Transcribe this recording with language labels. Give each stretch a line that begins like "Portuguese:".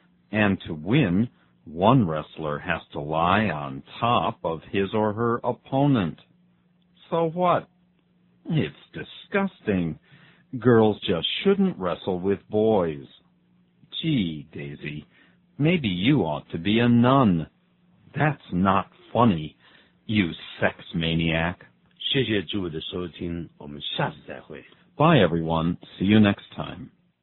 English: And to win, one wrestler has to lie on top of his or her opponent. So what? It's disgusting. Girls just shouldn't wrestle with boys. Gee, Daisy, maybe you ought to be a nun. That's not funny, you sex maniac.
Chinese: 谢谢诸位的收听，我们下次再会。
English: Bye, everyone. See you next time.